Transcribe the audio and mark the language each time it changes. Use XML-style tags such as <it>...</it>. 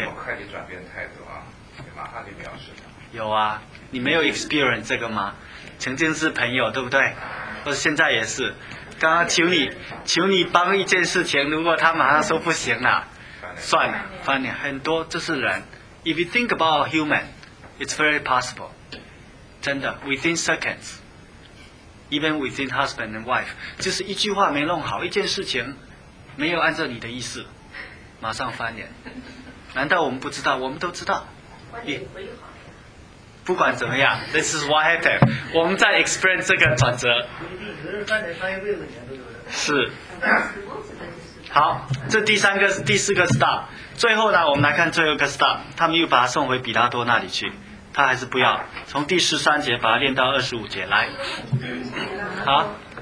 <zh>那么快就转变态度啊，你马上就藐视他。有啊，你没有 experience 这个吗？曾经是朋友，对不对？或者现在也是。刚刚求你，求你帮一件事情，如果他马上说不行了，算了，翻脸。很多这是人。</zh> <en>If you think about human, it's very possible.</en> <zh>真的 ，</zh> <en>within seconds, even within husband and wife,</en> <zh>就是一句话没弄好，一件事情没有按照你的意思。马上翻脸，难道我们不知道？我们都知道。不管怎么样 ，</zh> <en>This is what happened。</en> <zh>我们在 experience 这个转折。是。好，这第三个、第四个 stop。最后呢，我们来看最后一个 stop。他们又把他送回比拉多那里去，他还是不要。从第十三节把他练到二十五节来。好。</zh>